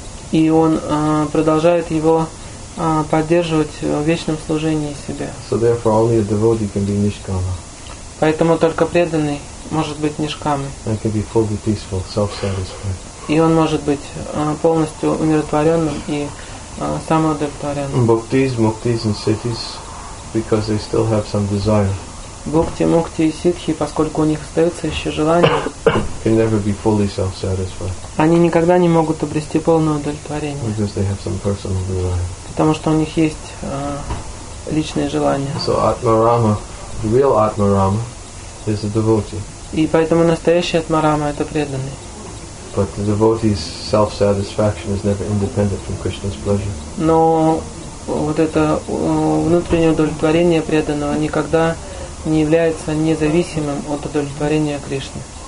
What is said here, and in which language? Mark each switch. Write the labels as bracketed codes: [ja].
[ru] И он продолжает его поддерживать в вечном служении себе. [en] So therefore only a devotee can be nishkama. [ru] Поэтому только преданный может быть нишкамой. [en] And can be fully peaceful, self-satisfied. [ru] И он может быть полностью умиротворенным и самоудовлетворенным. [en] Bhaktis, muktis and siddhis, because they still have some desire. [ru] Бхукти, мукти и ситхи, поскольку у них остается еще желание, [en] can never be fully self-satisfied. [ru] Они никогда не могут обрести полное удовлетворение. [en] Because they have some personal desire. [ru] Потому что у них есть личные желания. [en] So Atmarama, real Atmarama, is a devotee. [ru] И поэтому настоящий Атмарама – это преданный. [en] But the devotee's self-satisfaction is never independent from Krishna's pleasure. [ru] Но вот это внутреннее удовлетворение преданного никогда не является независимым от удовлетворения Кришны.